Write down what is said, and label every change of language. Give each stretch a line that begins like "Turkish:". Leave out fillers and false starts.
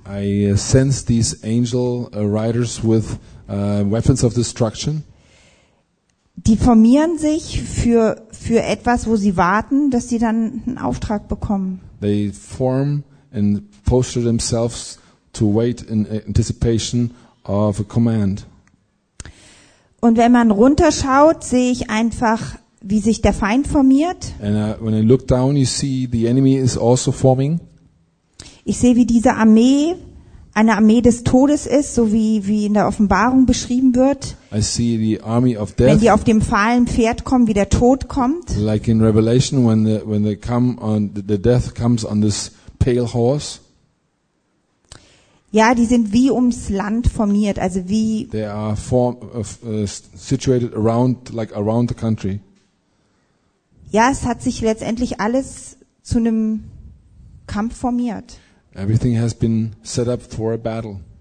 English: I sense these angel riders with weapons of destruction.
German: Die formieren sich für etwas, wo sie warten, dass sie dann einen Auftrag bekommen.
English: They form and posture themselves to wait in anticipation of a command.
German: Und wenn man runterschaut, sehe ich einfach, wie sich der Feind formiert.
English: And when I look down, you see the enemy is also forming.
German: Ich sehe, wie diese Armee eine Armee des Todes ist, so wie in der Offenbarung beschrieben wird.
English: I see the army of death.
German: Wenn die auf dem fahlen Pferd kommen, wie der Tod kommt.
English: Like in Revelation, when they come on, the death comes on this pale horse.
German: Ja, die sind wie ums Land formiert, also wie.
English: They are situated around, like around the country.
German: Ja, es hat sich letztendlich alles zu einem Kampf formiert.
English: Everything has been set up for a battle.